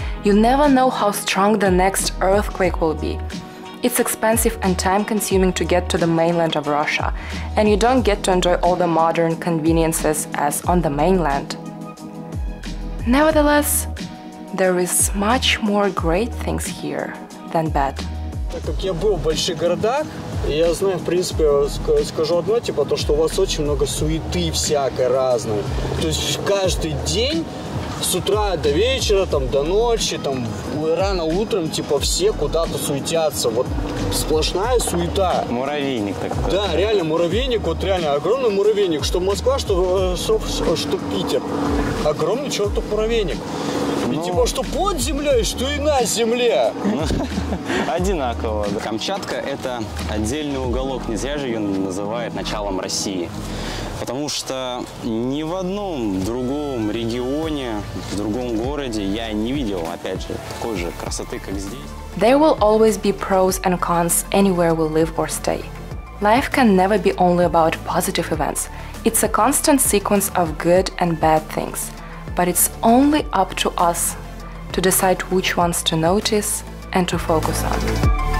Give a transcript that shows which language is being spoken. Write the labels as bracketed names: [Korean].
[English] You never know how strong the next earthquake will be. It's expensive and time-consuming to get to the mainland of Russia, and you don't get to enjoy all the modern conveniences as on the mainland. Nevertheless, there is much more great things here than bad. [Russian] Так как я был в больших городах, я знаю, в принципе, скажу одно, типа то, что у вас очень много суеты всякой разной. То есть каждый день с утра до вечера, там, до ночи, там, рано утром, типа, все куда-то суетятся. Вот сплошная суета. Муравейник такой. Да, реально, муравейник, вот реально, огромный муравейник. Что Москва, что Питер. Огромный чертов муравейник. Ну, и типа, что под землей, что и на земле. Одинаково. Камчатка – это отдельный уголок. Не зря же ее называют началом России. Потому что ни в одном другом регионе, в другом городе я не видел, опять же, такой же красоты, как здесь. [English] There will always be pros and cons anywhere we live or stay. Life can never be only about positive events. It's a constant sequence of good and bad things. But it's only up to us to decide which ones to notice and to focus on.